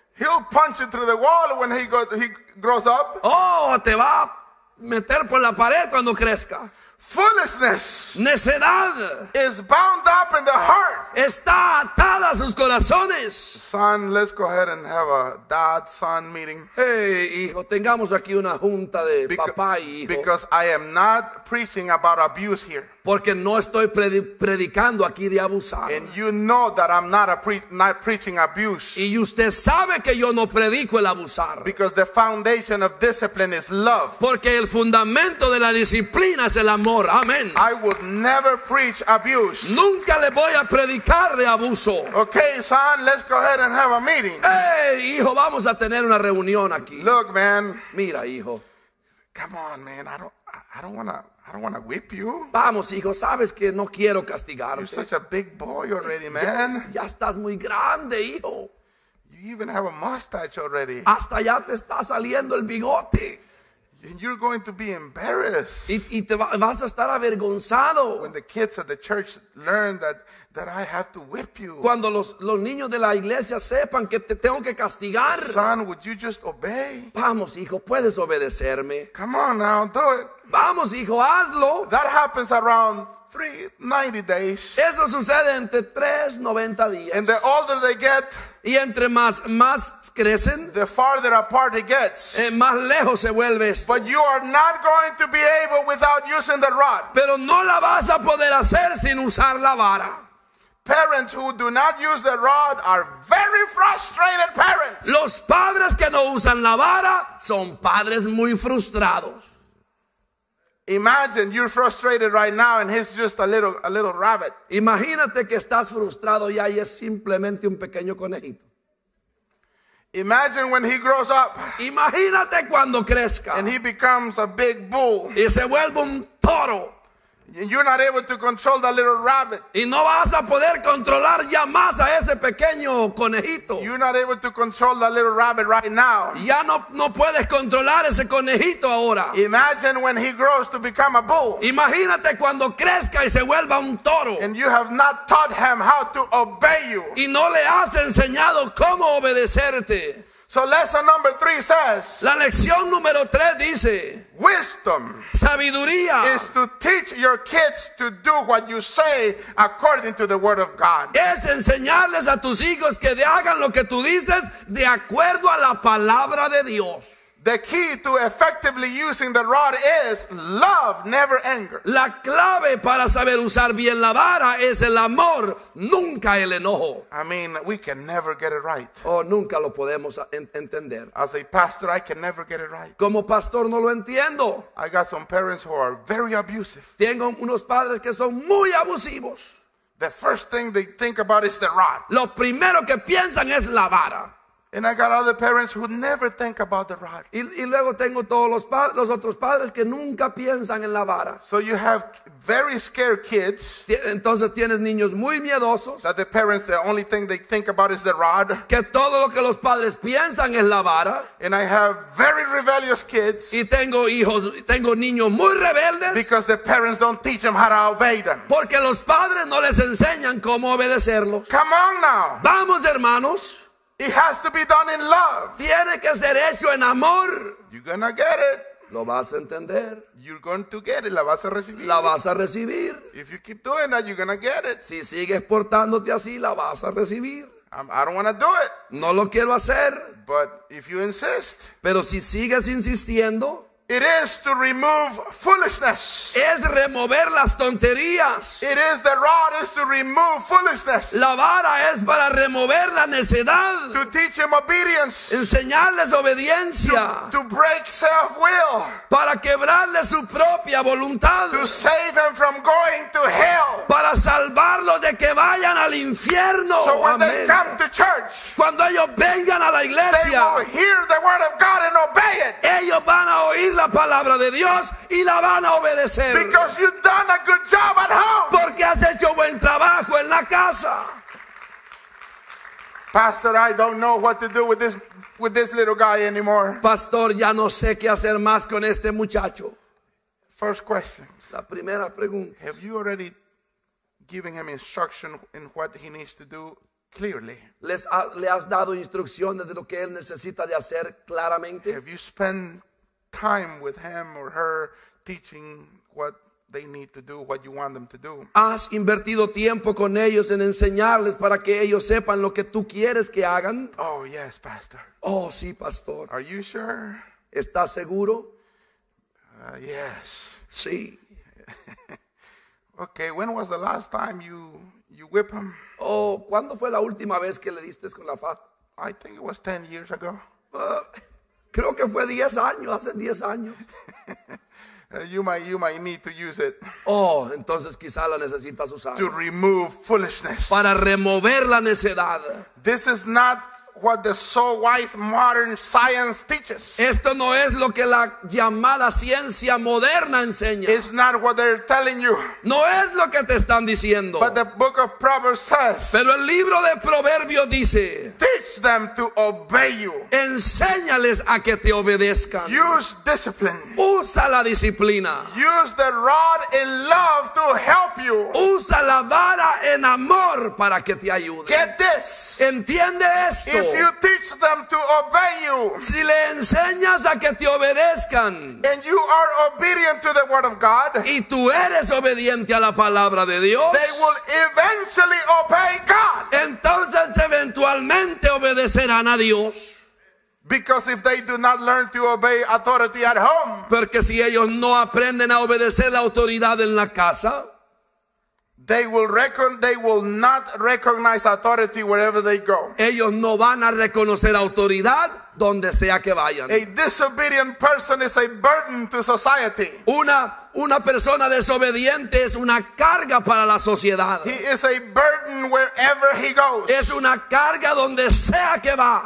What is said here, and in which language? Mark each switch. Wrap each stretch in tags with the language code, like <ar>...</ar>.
<en>He'll punch it through the wall when he grows up.</en> <es>Oh, te va a meter por la pared cuando crezca.</es> <en>Foolishness,</en> <es>necedad,</es> <en>is bound up in the heart.</en> <es>Está atada a sus corazones.</es> <en>Son, let's go ahead and have a dad-son meeting.</en> <es>Hey, hijo, tengamos aquí una junta de papá y hijo.</es> <en>Because I am not preaching about abuse here.</en> <es>Porque no estoy predicando aquí de abusar.</es> <en>And you know that I'm not preaching abuse.</en> <es>Y usted sabe que yo no predico el abusar.</es> <en>Because the foundation of discipline is love.</en> <es>Porque el fundamento de la disciplina es el amor. Amén.</es> <en>I would never preach abuse.</en> <es>Nunca le voy a predicar de abuso.</es> <en>Okay, son, let's go ahead and have a meeting.</en> <es>Hey, hijo, vamos a tener una reunión aquí.</es> <en>Look, man.</en> <es>Mira, hijo.</es> <en>Come on, man. I don't wanna. I don't want to whip you.</en> <es>Vamos, hijo, sabes que no quiero castigarte.</es> <en>You're such a big boy already, man.</en> <es>Ya estás muy grande, hijo.</es> <en>You even have a mustache already.</en> <es>Hasta ya te está saliendo el bigote.</es> <en>And you're going to be embarrassed.</en> <es>Y te vas a estar avergonzado.</es> <en>When the kids at the church learn that I have to whip you.</en> <es>Cuando los niños de la iglesia sepan que te tengo que castigar.</es> <en>Son, would you just obey?</en> <es>Vamos, hijo, puedes obedecerme.</es> <en>Come on now, do it.</en> <es>Vamos, hijo, hazlo.</es> <en>That happens around 90 days.</en> <es>Eso sucede entre 390 días.</es> <en>And the older they get,</en> <es>y entre más crecen,</es> <en>the farther apart it gets.</en> <es>Más lejos se vuelve esto.</es> <en>But you are not going to be able without using the rod.</en> <es>Pero no la vas a poder hacer sin usar la vara.</es> <en>Parents who do not use the rod are very frustrated parents.</en> <es>Los padres que no usan la vara son padres muy frustrados.</es> <en>Imagine you're frustrated right now and he's just a little rabbit.</en> <es>Imagínate que estás frustrado ya y es simplemente un pequeño conejito.</es> <en>Imagine when he grows up.</en> <es>Imagínate cuando crezca.</es> <en>And he becomes a big bull.</en> <es>Y se vuelve un toro.</es> <en>And you're not able to control that little rabbit.</en> <es>Y no vas a poder controlar ya más a ese pequeño conejito.</es> <en>You're not able to control that little rabbit right now.</en> <es>Ya no puedes controlar ese conejito ahora.</es> <en>Imagine when he grows to become a bull.</en> <es>Imagínate cuando crezca y se vuelva un toro.</es> <en>And you have not taught him how to obey you.</en> <es>Y no le has enseñado cómo obedecerte.</es> <en>So lesson number 3 says.</en> <es>La lección número 3 dice.</es> <en>Wisdom.</en> <es>Sabiduría.</es> <en>Is to teach your kids to do what you say according to the word of God.</en> <es>Es enseñarles a tus hijos que hagan lo que tú dices de acuerdo a la palabra de Dios.</es> <en>The key to effectively using the rod is love, never anger.</en> <es>La clave para saber usar bien la vara es el amor, nunca el enojo.</es> <en>I mean, we can never get it right.</en> <es>Oh, nunca lo podemos entender.</es> <en>As a pastor, I can never get it right.</en> <es>Como pastor, no lo entiendo.</es> <en>I got some parents who are very abusive.</en> <es>Tengo unos padres que son muy abusivos.</es> <en>The first thing they think about is the rod.</en> <es>Lo primero que piensan es la vara.</es> <en>And I got other parents who never think about the rod.</en> <es>Y luego tengo todos los otros padres que nunca piensan en la vara.</es> <en>So you have very scared kids.</en> <es>Entonces tienes niños muy miedosos.</es> <en>That the parents, the only thing they think about is the rod.</en> <es>Que todo lo que los padres piensan es la vara.</es> <en>And I have very rebellious kids.</en> <es>Y tengo niños muy rebeldes.</es> <en>Because the parents don't teach them how to obey them.</en> <es>Porque los padres no les enseñan cómo obedecerlos.</es> <en>Come on now.</en> <es>Vamos, hermanos.</es> <en>It has to be done in love.</en> <es>Tiene que ser hecho en amor.</es> <en>You're gonna get it.</en> <es>Lo vas a entender.</es> <en>You're going to get it.</en> <es>La vas a recibir. La vas a recibir.</es> <en>If you keep doing that, you're gonna get it.</en> <es>Si sigues portándote así, la vas a recibir.</es> <en>I don't want to do it.</en> <es>No lo quiero hacer.</es> <en>But if you insist.</en> <es>Pero si sigues insistiendo.</es> <en>It is to remove foolishness.</en> <es>Es remover las tonterías.</es> <en>It is the rod is to remove foolishness.</en> <es>La vara es para remover la necedad.</es> <en>To teach him obedience.</en> <es>Enseñarles obediencia.</es> <en>To break self-will.</en> <es>Para quebrarle su propia voluntad.</es> <en>To save him from going to hell.</en> <es>Para salvarlo de que vayan al infierno.</es> <en>So when</en> <es>Amén.</es> <en>They come to church,</en> <es>cuando ellos vengan a la iglesia,</es> <en>they will hear the word of God and obey it.</en> <es>Ellos van a oír la palabra de Dios y la van a obedecer.</es> <en>Because you've done a good job at home.</en> <es>Porque has hecho buen trabajo en la casa.</es> <en>Pastor, I don't know what to do with this little guy anymore.</en> <es>Pastor, ya no sé qué hacer más con este muchacho.</es> <en>First question.</en> <es>La primera pregunta.</es> <en>Have you already given him instruction in what he needs to do clearly?</en> <es>¿Le has dado instrucciones de lo que él necesita de hacer claramente?</es> <en>Have you spent time with him or her teaching what they need to do, what you want them to do?</en> <es>¿Has invertido tiempo con ellos en enseñarles para que ellos sepan lo que tú quieres que hagan?</es> <en>Oh, yes, pastor.</en> <es>Oh, sí, pastor.</es> <en>Are you sure?</en> <es>¿Estás seguro?</es> <en>Yes.</en> <es>Sí.</es> <en>Okay, when was the last time you whip him?</en> <es>Oh, ¿cuándo fue la última vez que le diste con la faja?</es> <en>I think it was 10 years ago.</en> <es>Creo que fue 10 años, hace 10 años.</es> <en>You might need to use it.</en> <es>Oh, entonces quizá la necesitas usar.</es> <en>To remove foolishness.</en> <es>Para remover la necedad.</es> <en>This is not what the so wise modern science teaches.</en> <es>Esto no es lo que la llamada ciencia moderna enseña.</es> <en>It's not what they're telling you.</en> <es>No es lo que te están diciendo.</es> <en>But the book of Proverbs says.</en> <es>Pero el libro de Proverbios dice.</es> <en>Teach them to obey you.</en> <es>Enséñales a que te obedezcan.</es> <en>Use discipline.</en> <es>Usa la disciplina.</es> <en>Use the rod in love to help you.</en> <es>Usa la vara en amor para que te ayude.</es> <en>Get this.</en> <es>Entiende esto.</es> <en>If you teach them to obey you,</en> <es>si le enseñas a que te obedezcan,</es> <en>and you are obedient to the word of God,</en> <es>y tú eres obediente a la palabra de Dios,</es> <en>they will eventually obey God.</en> <es>Entonces eventualmente obedecerán a Dios.</es> <en>Because if they do not learn to obey authority at home,</en> <es>porque si ellos no aprenden a obedecer la autoridad en la casa,</es> <en>They will not recognize authority wherever they go.</en> <es>Ellos no van a reconocer autoridad donde sea que vayan.</es> <en>A disobedient person is a burden to society.</en> <es>Una persona desobediente es una carga para la sociedad.</es> <en>He is a burden wherever he goes.</en> <es>Es una carga donde sea que va.</es>